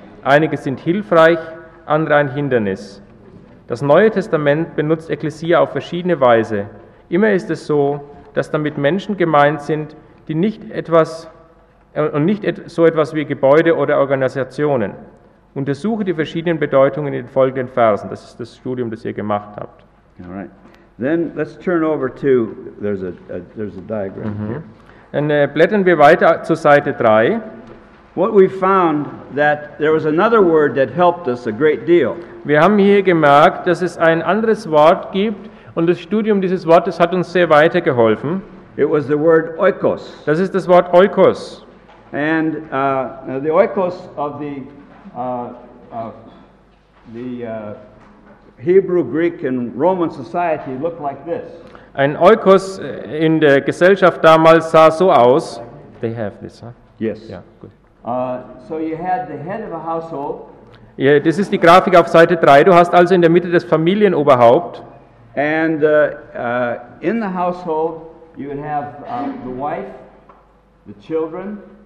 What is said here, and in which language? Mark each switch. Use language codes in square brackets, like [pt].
[de] Einige sind hilfreich, andere ein Hindernis. Das Neue Testament benutzt Ekklesia auf verschiedene Weise. Immer ist es so, dass damit Menschen gemeint sind, die nicht etwas und nicht so etwas wie Gebäude oder Organisationen. Untersuche die verschiedenen Bedeutungen in den folgenden Versen. Das ist das Studium, das ihr gemacht habt. [en] All right. Then let's turn over to there's a diagram here. [de] Dann blättern wir weiter zur Seite 3. [en] What we found that there was another word that helped us a great deal. [de] Wir haben hier gemerkt, dass es ein anderes Wort gibt. Und das Studium dieses Wortes hat uns sehr weitergeholfen. [en] It was the word oikos. [de] Das ist das Wort oikos. [en] And the oikos of the Hebrew, Greek and Roman society looked like this. [de] Ein oikos in der Gesellschaft damals sah so aus. [en] They have this, huh? Yes. Yeah, good. So you had the head of a household. [de] Yeah, das ist die Grafik auf Seite 3. Du hast also in der Mitte das Familienoberhaupt. [en] And in the household, you would have the wife, the children.